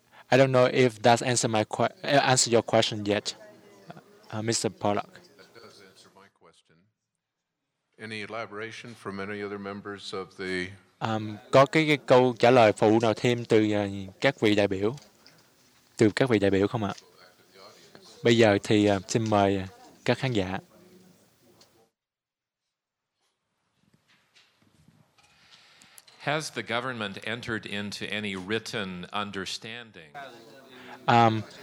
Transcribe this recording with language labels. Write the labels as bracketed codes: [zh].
[en] I don't know if that's answer your question yet, Mr. Pollock. That does answer my question. Any elaboration from any other members of the [vi] Có cái câu trả lời phụ nào thêm từ các vị đại biểu? Từ các vị đại biểu không ạ? Bây giờ thì xin mời các khán giả. [en] Has the government entered into any written understanding?